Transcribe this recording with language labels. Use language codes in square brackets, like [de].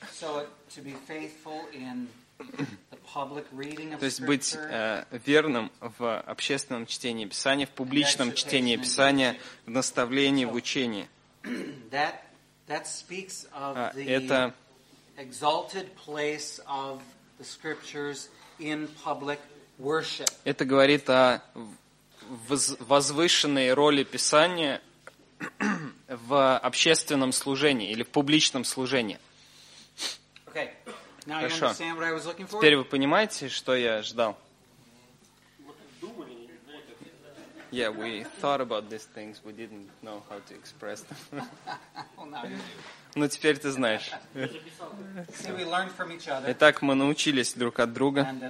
[en] So to be faithful in the public reading of [ru] То есть быть верным в общественном чтении Писания, в публичном чтении Писания, в наставлении, в учении. [en] That speaks of the exalted place of the scriptures in public worship. [ru] Это говорит о возвышенной роли Писания в общественном служении или в публичном служении. [en] Okay. Now you understand what I was looking for? [ru] Теперь вы понимаете, что я ждал? [en] Yeah, we thought about these things, we didn't know how to express them. [ru] Но теперь ты знаешь. [en] See, we learned from each other. [ru] Итак, мы научились друг от друга.